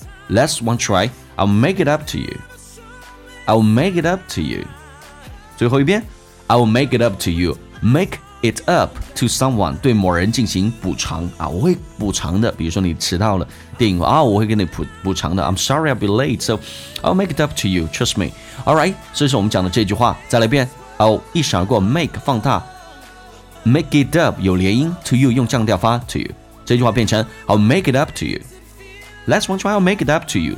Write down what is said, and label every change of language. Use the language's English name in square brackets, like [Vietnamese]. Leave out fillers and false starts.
[English] Last one try， I will make it up to you， I will make it up to you。 [Chinese] 最后一遍， [English] I will make it up to you. [Chinese] Make it up to someone， 对某人进行补偿啊，我会补偿的。比如说你迟到了电影啊，我会给你补偿的。 [English] I'm sorry I'll be late, so I'll make it up to you. Trust me. All right， [Chinese] 这是我们讲的这句话。再来一遍， I'll 一闪而过， make 放大， make it up 有连音， to you 用降调发 to you， 这句话变成 [English] I'll make it up to you. Last one try， I'll make it up to you.